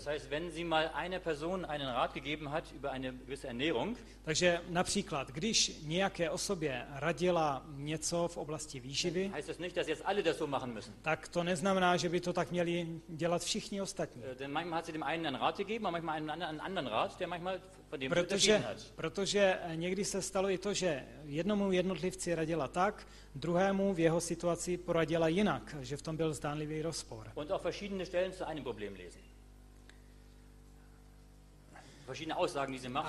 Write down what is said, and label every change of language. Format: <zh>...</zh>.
<de>Das heißt, wenn sie mal eine Person einen Rat gegeben hat über eine gewisse Ernährung.</de> <cs>Takže například, když nějaké osobě radila něco v oblasti výživy.</cs> <de>Heißt das nicht, dass jetzt alle das so machen müssen.</de> <cs>Tak to neznamená, že by to tak měli dělat všichni ostatní.</cs> <de>Denn manchmal hat sie dem einen einen Rat gegeben, aber manchmal einen anderen Rat, der manchmal von dem unterschieden hat.</de> <cs>Protože někdy se stalo i to, že jednomu jednotlivci radila tak, druhému v jeho situaci poradila jinak, že v tom byl zdánlivý rozpor.</cs> <de>Und auch verschiedene Stellen zu einem Problem lesen. Verschiedene Aussagen, die sie macht.</de>